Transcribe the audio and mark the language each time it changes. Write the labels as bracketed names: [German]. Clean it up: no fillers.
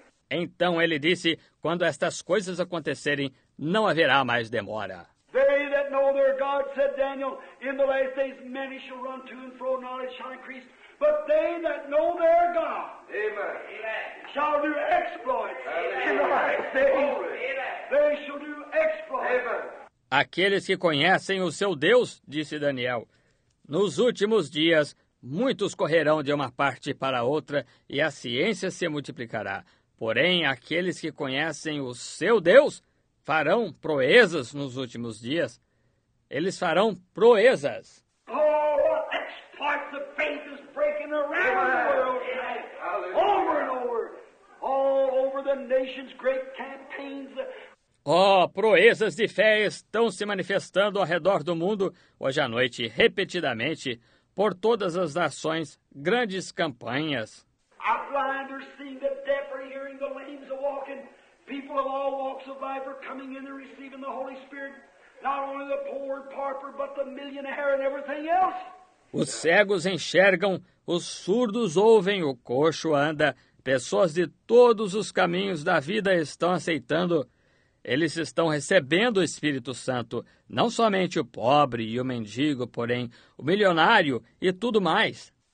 [Portuguese] Então ele disse, quando estas coisas acontecerem, não haverá mais demora. [English] They that know their God, said Daniel, in the last days many shall run to and fro, knowledge shall increase. But they that know their God, amen, shall do exploits. Amen. In the last days, amen, they shall do exploits. Amen. [Portuguese] Aqueles que conhecem o seu Deus, disse Daniel, nos últimos dias muitos correrão de uma parte para outra e a ciência se multiplicará. Porém, aqueles que conhecem o seu Deus farão proezas nos últimos dias. Eles farão proezas. [English] Oh, exploits of faith is breaking around the world tonight. Over and over. All over the nation's great campaigns. [Portuguese] Oh, proezas de fé estão se manifestando ao redor do mundo hoje à noite, repetidamente, por todas as nações, grandes campanhas. [English] Our blind are seeing, the deaf are hearing, the lame are walking. People of all walks of life are coming in and receiving the Holy Spirit. Not only the poor and pauper, but the millionaire and everything else. [Portuguese] Os cegos enxergam, os surdos ouvem, o coxo anda. Pessoas de todos os caminhos da vida estão aceitando. Eles estão recebendo o Espírito Santo, não somente o pobre e o mendigo, porém o milionário e tudo mais.